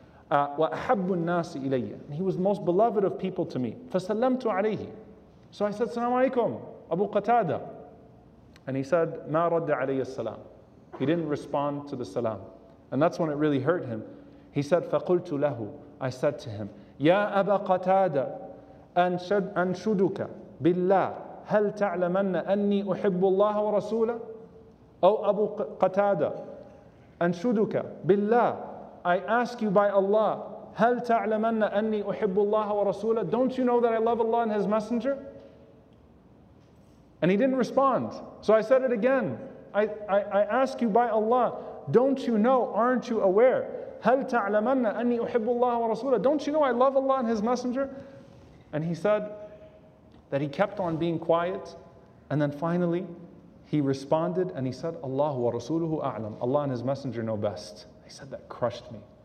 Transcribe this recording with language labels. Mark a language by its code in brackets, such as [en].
[ar] Wa ahabbu an-nasi ilayya. [en] He was the most beloved of people to me. [ar] Fasallamtu alayhi. [en] So I said, Salaamu alaykum, Abu Qatada. And he said, [ar] Ma radda alayhi as-salam. [en] He didn't respond to the salam. And that's when it really hurt him. He said, [ar] Faqultu lahu. [en] I said to him, [ar] Ya Aba Qatada. أنشدك بالله هل تعلمن أني أحب الله ورسوله أو أبو قتادة أنشدك بالله [en] I ask you by Allah [ar] هل تعلمن أني أحب الله ورسوله. [en] Don't you know that I love Allah and His Messenger? And he didn't respond. So I said it again. I ask you by Allah, don't you know, aren't you aware, [ar] هل تعلمن أني أحب الله ورسوله. [en] Don't you know I love Allah and His Messenger? And he said that he kept on being quiet, and then finally he responded and he said, [ar] Allahu wa rasuluhu a'lam, [en] Allah and His Messenger know best. He said, that crushed me.